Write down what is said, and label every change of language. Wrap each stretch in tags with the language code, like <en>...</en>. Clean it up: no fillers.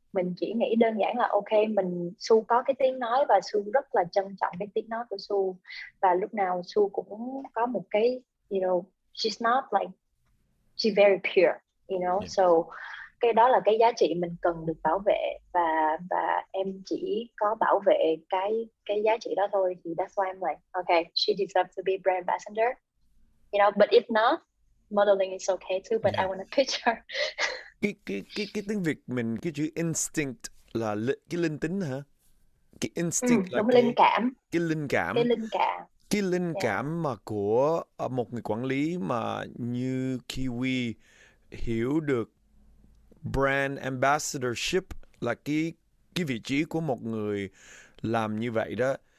<vi>Mình chỉ nghĩ đơn giản là ok, mình Su có cái tiếng nói và Su rất là trân trọng cái tiếng nói của Su. Và lúc nào Su cũng có một cái,</vi> <en>you know, she's not like, she's very pure, you know.</en> <vi>So cái đó là cái giá trị mình cần được bảo vệ. Và em chỉ có bảo vệ cái giá trị đó thôi.</vi> <en>Thì that's why I'm like, ok, she deserves to be brand ambassador. You know, but if not, modeling is okay too, but yeah. I want a picture.</en> <vi>cái tiếng Việt mình, cái chữ instinct là cái linh tính hả? Cái instinct là linh cảm. Cái linh cảm mà của một người quản lý mà như Kiwi hiểu được brand ambassadorship là cái vị trí của một người làm như vậy đó.</vi>